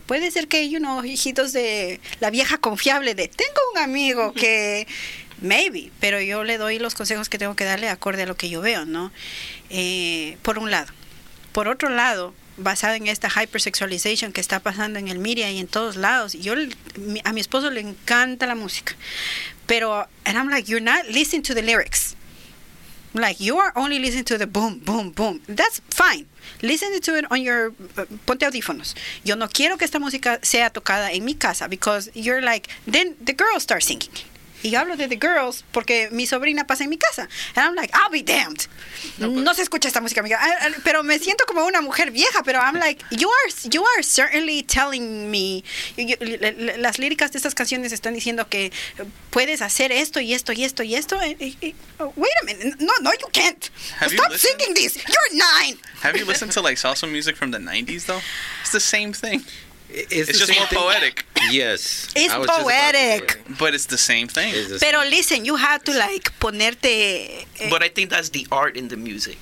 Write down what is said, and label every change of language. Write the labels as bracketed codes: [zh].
[es] Puede ser que, you know, hijitos de la vieja confiable de, tengo un amigo que, maybe. Pero yo le doy los consejos que tengo que darle acorde a lo que yo veo, ¿no? Por un lado. Por otro lado, basado en esta hypersexualization que está pasando en el media y en todos lados. A mi esposo le encanta la música. [en] Pero, and I'm like, you're not listening to the lyrics. Like, you are only listening to the boom, boom, boom. That's fine. Listen to it on your, ponte audífonos. [es] Yo no quiero que esta música sea tocada en mi casa, because you're like, then the girls start singing. Y yo hablo de the girls porque mi sobrina pasa en mi casa. And I'm like, I'll be damned. No se escucha esta música, amiga. Pero me siento como una mujer vieja. [en] Pero I'm like, you are certainly telling me. [es] Las líricas de estas canciones están diciendo que puedes hacer esto y esto y esto y esto. [en] Wait a minute. No, you can't. Stop singing this. You're nine. Have you listened to like salsa music from the 90s, though? It's the same thing. It's just more poetic. Yes. It's poetic. But it's the same thing. Pero listen, you have to like ponerte. But I think that's the art in the music.